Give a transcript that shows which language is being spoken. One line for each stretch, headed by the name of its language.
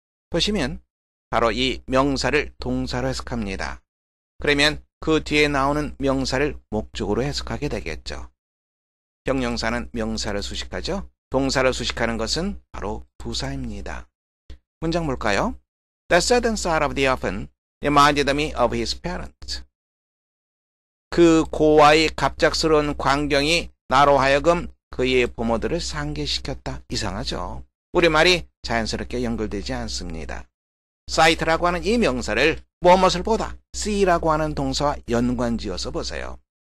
Korean: 보시면 바로 이 명사를 동사로 해석합니다. 그러면 그 뒤에 나오는 명사를 목적으로 해석하게 되겠죠. 형용사는 명사를 수식하죠. 동사를 수식하는 것은 바로 부사입니다. 문장 볼까요?
English: The sudden sight of the orphan reminded me of his parents.
Korean: 그 고아의 갑작스러운 광경이 나로 하여금 그의 부모들을 상기시켰다. 이상하죠? 우리말이 자연스럽게 연결되지 않습니다. sight라고 하는 이 명사를 무엇을 보다, see라고 하는 동사와 연관지어서 보세요.